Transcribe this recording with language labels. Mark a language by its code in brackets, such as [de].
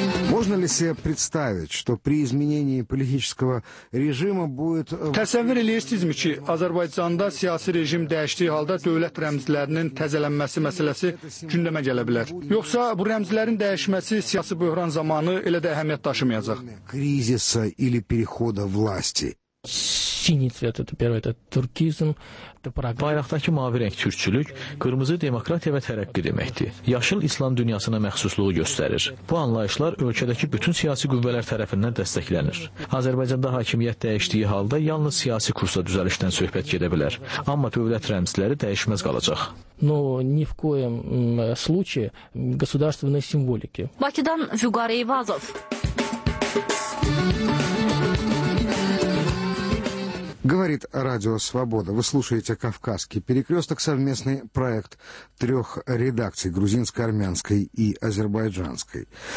[ru] Можно ли себе представить, что при изменении политического режима будет... [az] Təsəvvür edirsinizmi ki, Azərbaycanda siyasi rejim dəyişdiyi halda dövlət rəmzlərinin təzələnməsi məsələsi gündəmə gələ bilər? Yoxsa bu rəmzlərin dəyişməsi siyasi böhran zamanı elə də əhəmiyyət daşımayacaq? [ru] Кризиса или перехода власти? Синий цвет это первое это туркизм. [az] Bayraqdakı mavi rəng türkçülük, qırmızı demokratiya və tərəqqi deməkdir. Yaşıl İslam dünyasına məxsusluğu göstərir. Bu anlayışlar ölkədəki bütün siyasi qüvvələr tərəfindən dəstəklənir. Azərbaycanda hakimiyyət dəyişdiyi halda yalnız siyasi kursa düzəlişdən söhbət gedə bilər. Amma dövlət rəmzləri dəyişməz qalacaq. [ru] Но ни в коем случае государственной символики. [az] Bakıdan Vüqar Eyvazov. [ru] Говорит Радио Свобода. Вы слушаете «Кавказский перекресток», совместный проект трех редакций – грузинской, армянской и азербайджанской.